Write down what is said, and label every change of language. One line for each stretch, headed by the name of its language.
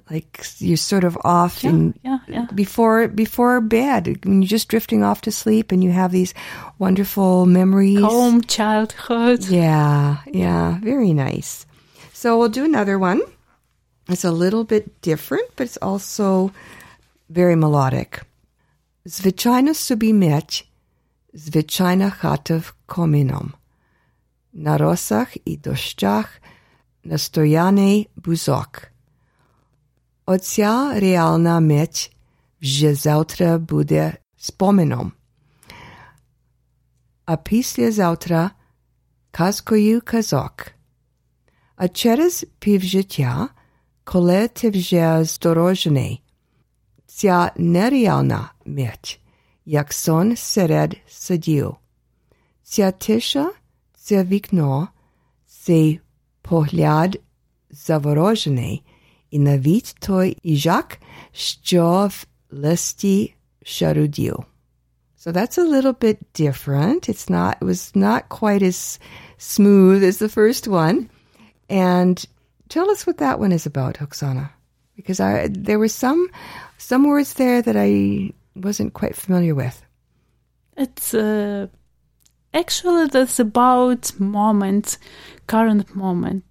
English: Like you're sort of off before bed, when you're just drifting off to sleep, and you have these wonderful memories. Calm childhood. Yeah, yeah, very nice. So we'll do another one. It's a little bit different, but it's also very melodic.
Ukrainian: Звичайно собі мить, звичайна хата в коміном. На росах і дощах, на стояні бузок. Оця реальна мить вже завтра буде споміном. А після завтра казкою казок. А через півжиття, коли ти вже здорожений, ця нереальна мить, як сон серед садів. Ця тиша, це вікно, цей погляд заворожений, і навіть той іжак, що в листі шарудів.
English: So that's a little bit different. It was not quite as smooth as the first one. And tell us what that one is about, Oksana. Because there were some words there that I wasn't quite familiar with. It's actually, that's about moment, current moment.